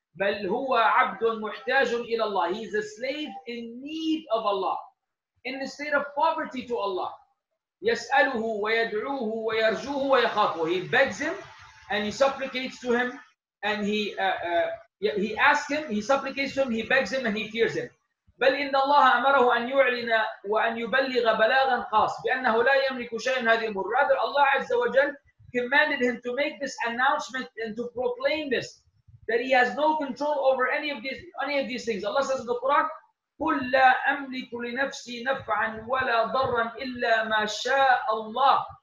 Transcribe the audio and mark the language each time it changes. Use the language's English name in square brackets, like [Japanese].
[Arabic] بَلْ هُوَ عَبْدٌ مُحْتَاجٌ إِلَى اللَّهِ. [English] He is a slave in need of Allah, in the state of poverty to Allah. [Arabic] يَسْأَلُهُ وَيَدْعُوهُ وَيَرْجُوهُ وَيَخَافُهُ. [English] He begs him and he supplicates to him and he asks him, he supplicates to him, he begs him, and he fears him. [Arabic] بل إن الله أمره أن يعلن وأن يبلغ بلاغا خاص بأنه لا يملك شيئا هذه الأمور. [English] Rather, Allah Azza wa Jal commanded him to make this announcement and to proclaim this, that he has no control over any of these things. Allah says in the Quran, [Arabic] قل لا أملك لنفسي نفعا ولا ضرا إلا ما شاء الله.